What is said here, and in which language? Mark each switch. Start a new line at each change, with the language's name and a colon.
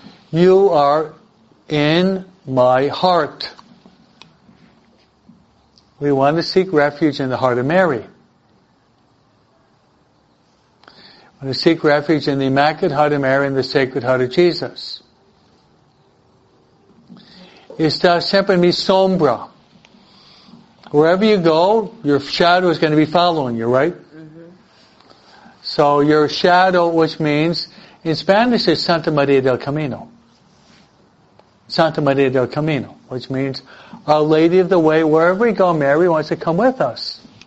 English: You are in my heart. We want to seek refuge in the heart of Mary. We want to seek refuge in the Immaculate Heart of Mary and the Sacred Heart of Jesus.
Spanish: Estás siempre en mi sombra.
English: Wherever you go, your shadow is going to be following you, right? So your shadow, which means, in Spanish, is Santa Maria del Camino. Santa Maria del Camino, which means Our Lady of the Way, wherever we go, Mary wants to come with us.